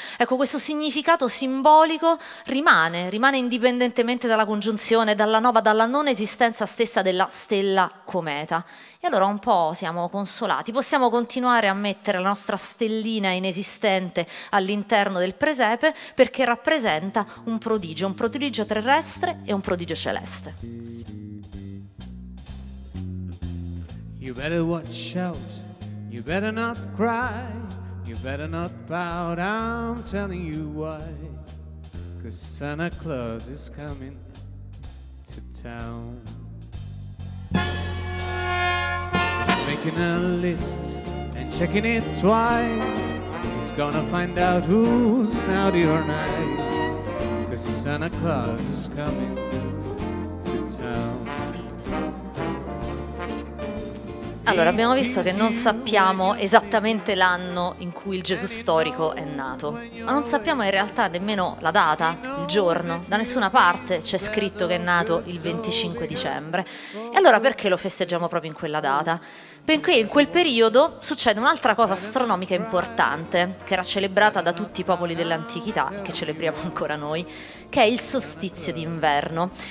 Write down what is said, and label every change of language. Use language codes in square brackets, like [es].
[it] Ecco, questo significato simbolico rimane indipendentemente dalla congiunzione, dalla non esistenza stessa della stella cometa. E allora un po' siamo consolati, possiamo continuare a mettere la nostra stellina inesistente all'interno del presepe perché rappresenta un prodigio terrestre e un prodigio celeste. [en] You better watch out, you better not cry, you better not bow down, I'm telling you why, 'cause Santa Claus is coming to town. He's making a list and checking it twice. He's gonna find out who's naughty or nice, 'cause Santa Claus is coming to town. [it] Allora, abbiamo visto che non sappiamo esattamente l'anno in cui il Gesù storico è nato, ma non sappiamo in realtà nemmeno la data, il giorno. Da nessuna parte c'è scritto che è nato il 25 dicembre. E allora perché lo festeggiamo proprio in quella data? Perché in quel periodo succede un'altra cosa astronomica importante, che era celebrata da tutti i popoli dell'antichità, che celebriamo ancora noi, che è il solstizio d'inverno.